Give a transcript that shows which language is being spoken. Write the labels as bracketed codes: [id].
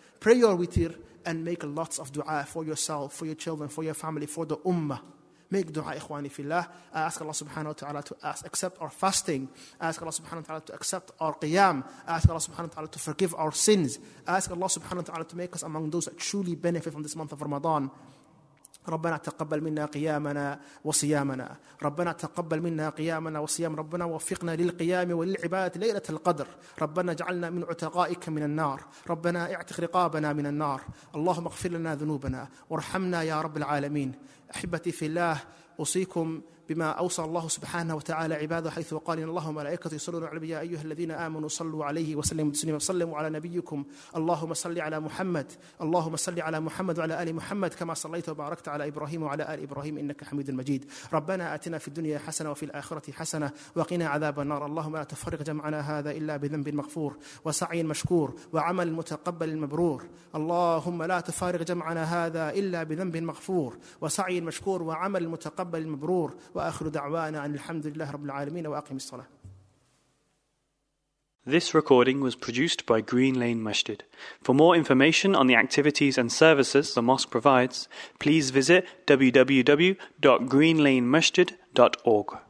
[en] Pray your witir and make lots of dua for yourself, for your children, for your family, for the ummah. Make dua, [ar] ikhwani fillah. [en] I ask Allah subhanahu wa ta'ala to accept our fasting. I ask Allah subhanahu wa ta'ala to accept our qiyam. I ask Allah subhanahu wa ta'ala to forgive our sins. I ask Allah subhanahu wa ta'ala to make us among those that truly benefit from this month of Ramadan. [ar] ربنا تقبل منا قيامنا وصيامنا ربنا تقبل منا قيامنا وصيام ربنا وفقنا للقيام وللعبادة ليلة القدر ربنا اجعلنا من عتقائك من النار ربنا اعتق رقابنا من النار اللهم اغفر لنا ذنوبنا وارحمنا يا رب العالمين أحبتي في الله أوصيكم بما أوصى الله سبحانه وتعالى عباده حيث قال إن الله وملائكته يصلون على النبي يا أيها الذين آمنوا صلوا عليه وسلموا تسليما صلوا على نبيكم اللهم صل على محمد اللهم صل على محمد وعلى آل محمد كما صليت وباركت على إبراهيم وعلى آل إبراهيم إنك حميد مجيد ربنا آتنا في الدنيا حسنة وفي الآخرة حسنة وقنا عذاب النار اللهم لا تفرق جمعنا هذا إلا بذنب مغفور وسعي مشكور وعمل متقبل مبرور اللهم لا تفارق جمعنا هذا إلا بذنب مغفور وسعي مشكور وعمل متقبل مبرور وآخر دعوانا أن الحمد لله رب العالمين وأقم الصلاة. [en] This recording was produced by Green Lane Masjid. For more information on the activities and services the mosque provides, please visit www.greenlanemasjid.org.